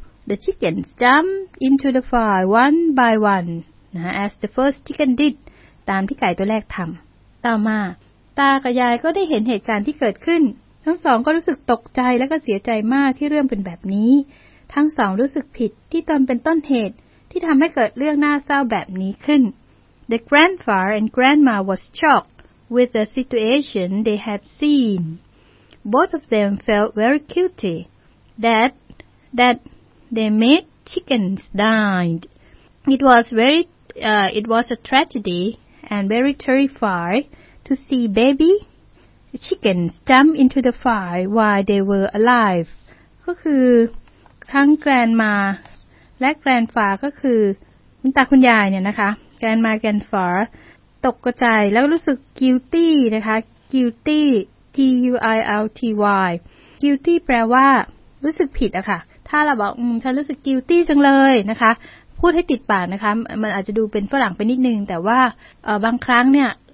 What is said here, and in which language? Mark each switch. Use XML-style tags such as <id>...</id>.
<en>the chickens jumped into the fire one by one</en> <th>นะคะ</th> <en>as the first chicken did</en> <th>ตามที่ไก่ตัวแรกทำต่อมาตากับยายก็ได้เห็นเหตุการณ์ที่เกิดขึ้นทั้งสองก็รู้สึกตกใจและก็เสียใจมากที่เรื่องเป็นแบบนี้ทั้งสองรู้สึกผิดที่ตนเป็นต้นเหตุที่ทำให้เกิดเรื่องน่าเศร้าแบบนี้ขึ้น</th> <en>The grandfather and grandma was shocked with the situation they had seen. Both of them felt very guilty that they made chickens die. It was a tragedy and very terrifying to see baby chickens jump into the fire while they were alive.</en> <th>ก็คือทั้ง grandma และ grandpa ก็คือคุณตาคุณยายเนี่ยนะคะgrandma grandfather ตกใจแล้วรู้สึก guilty นะคะ guilty guilty guilty แปลว่ารู้สึกผิดอะค่ะถ้าเราบอกฉันรู้สึก guilty จังเลยนะคะพูดให้ติดปากนะคะมันอาจจะดูเป็นฝรั่งไปนิดนึงแต่ว่าบางครั้งเนี่ย</th>